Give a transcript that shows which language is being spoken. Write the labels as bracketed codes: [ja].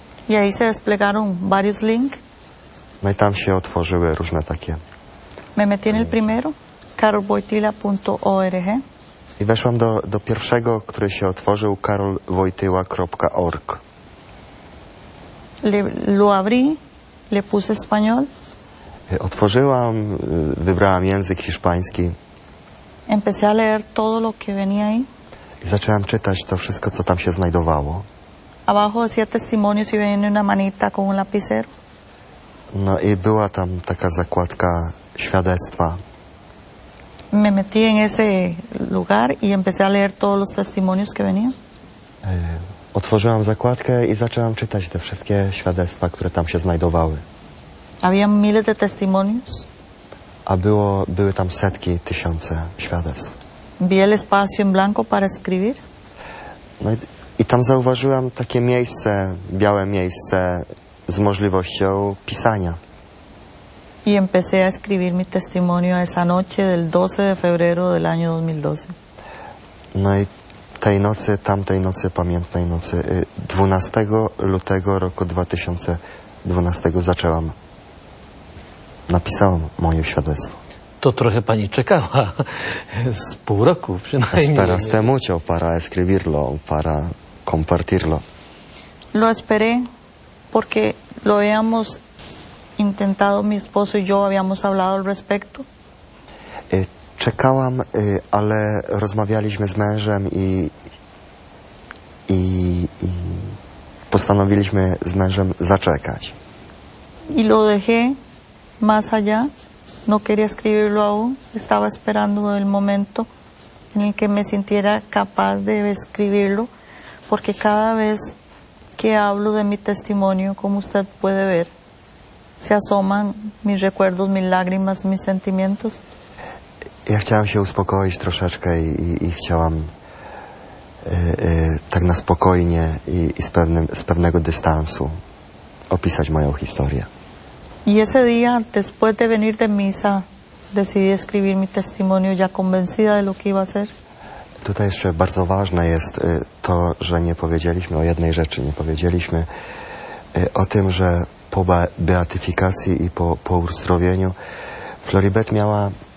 [es] Y ahí se desplegaron varios links. [pl] No i tam się otworzyły różne takie. [es] Me metí en el primero, karolwojtyla.org. [pl] I weszłam do pierwszego, który się otworzył, karolwojtyla.org. [es] Lo abrí, le puse español. [pl] Otworzyłam, wybrałam język hiszpański. [es] Empecé a leer todo lo que venía ahí. [pl] I zaczęłam czytać to wszystko, co tam się znajdowało. [es] Abajo decía testimonios y venía una manita con un lapicero. [pl] No i była tam taka zakładka świadectwa. [es] Me metí en ese lugar y empecé a leer todos los testimonios que venían. [pl] Otworzyłam zakładkę i zaczęłam czytać te wszystkie świadectwa, które tam się znajdowały. [es] Había miles de testimonios. [pl] A były tam setki, tysiące świadectw. [es] Vi el espacio en blanco para escribir. [pl] No i tam zauważyłam takie miejsce, białe miejsce z możliwością pisania. [es] Y empecé a escribir mi testimonio esa noche del 12 de febrero del año 2012. [pl] No i tej nocy, tamtej nocy, pamiętnej nocy, 12 lutego roku 2012 zaczęłam. Napisałam moje świadectwo. to trochę pani czekała z pół roku przynajmniej. [es] Esperas te mucho para escribirlo, para compartirlo. Lo esperé porque lo habíamos intentado mi esposo y yo habíamos hablado al respecto. [pl] Czekałam, ale rozmawialiśmy z mężem i postanowiliśmy z mężem zaczekać. [es] Y lo dejé más allá. No quería escribirlo aún. Estaba esperando el momento en el que me sintiera capaz de escribirlo, porque cada vez que hablo de mi testimonio, como usted puede ver, se asoman mis recuerdos, mis lágrimas, mis sentimientos. [pl] Ja chciałam się uspokoić troszeczkę i chciałam tak na spokojnie i z pewnego dystansu opisać moją historię. [es] Y ese día, después de venir de misa, decidí escribir mi testimonio ya convencida de lo que iba a ser. [pl] Tutaj jeszcze bardzo ważne jest to, że nie powiedzieliśmy o jednej rzeczy. Nie powiedzieliśmy o tym, że po beatyfikacji i po uzdrowieniu Floribet miała...